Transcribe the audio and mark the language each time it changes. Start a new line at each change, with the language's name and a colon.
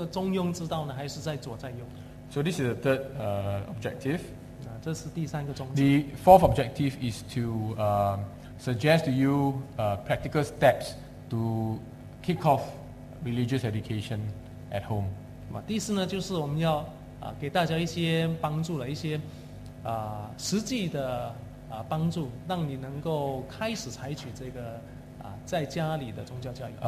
Chinese: 那你本身作为家长呢，你可以衡量一下自己啊，自己在这一些方面啊的你的观念在哪里，你的地位在哪里，是在中和的这个中庸之道呢，还是在左在右
English: ？So this is the third objective.
Chinese: 那这是第三个宗旨。
English: The fourth objective is to suggest to you practical steps to kick off religious education at home.
Chinese: 第四呢，就是我们要给大家一些帮助了，一些实际的帮助，让你能够开始采取这个在家里的宗教教育。